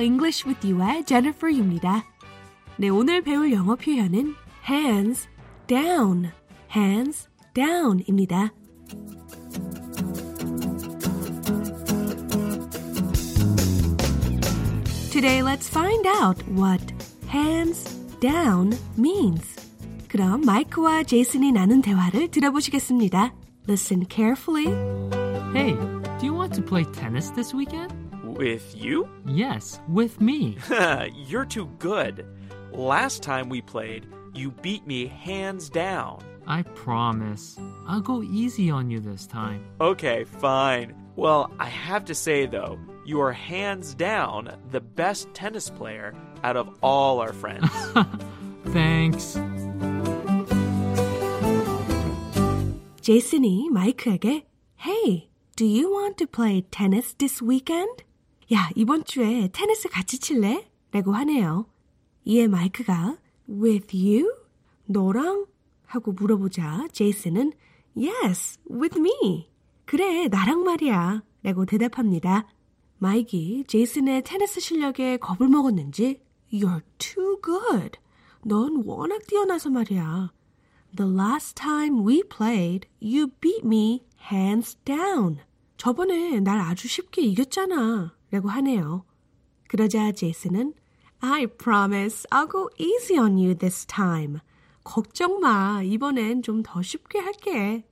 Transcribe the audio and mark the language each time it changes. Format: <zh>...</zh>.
<ko>English with you의 Jennifer 유입니다. 네, 오늘 배울 영어 표현은 hands down. Hands down입니다. 오늘</ko> <en>let's find out what hands down means.</en> <ko>그럼 마이크와 제이슨이 나눈 대화를 들어보시겠습니다.</ko> <en>Listen carefully. Hey, do you want to play tennis this weekend? With you? Yes, with me. You're too good. Last time we played, you beat me hands down. I promise. I'll go easy on you this time. Okay, fine. Well, I have to say, though, you are hands down the best tennis player out of all our friends. Thanks.</en> <ko>제이슨이 마이크에게,</ko> <en>Hey, do you want to play tennis this weekend?</en> <ko>야, 이번 주에 테니스 같이 칠래? 라고 하네요. 이에 마이크가,</ko> <en>With you?</en> <ko>너랑? 하고 물어보자 제이슨은,</ko> <en>Yes, with me.</en> <ko>그래, 나랑 말이야. 라고 대답합니다. 마이키, 제이슨의 테니스 실력에 겁을 먹었는지,</ko> <en>You're too good.</en> <ko>넌 워낙 뛰어나서 말이야.</ko> <en>The last time we played, you beat me hands down.</en> <ko>저번에 날 아주 쉽게 이겼잖아. 라고 하네요. 그러자 제이슨은,</ko> <en>I promise I'll go easy on you this time.</en> <ko>걱정 마, 이번엔 좀 더 쉽게 할게.</ko>